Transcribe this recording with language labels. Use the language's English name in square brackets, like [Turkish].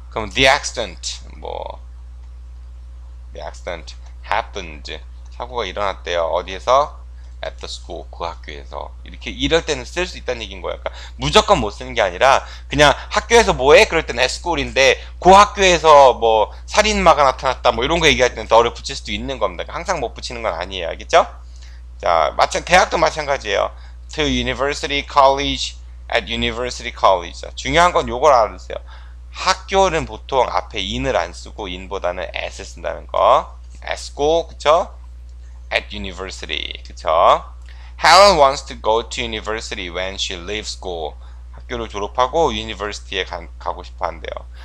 [English] 그럼 the accident, 뭐, the accident happened. [Korean] 사고가 일어났대요. 어디에서? [English] at the school, [Korean] 그 학교에서. 이렇게 이럴 때는 쓸수 있다는 얘기인 거예요. 그러니까 무조건 못 쓰는 게 아니라, 그냥 학교에서 뭐 해? 그럴 때는 at school인데, 그 학교에서 뭐, 살인마가 나타났다, 뭐, 이런 거 얘기할 때는 더를 붙일 수도 있는 겁니다. 항상 못 붙이는 건 아니에요. 알겠죠? 자, 대학도 마찬가지예요. [English] to university, college, At University College. [Korean] 중요한 건 요걸 알아주세요. 학교는 보통 앞에 in을 안 쓰고 in보다는 at을 쓴다는 거. [English] At school, 그쵸? At University, 그쵸? Helen wants to go to University when she leaves school. [Korean] 학교를 졸업하고 University에 가고 싶어 한대요.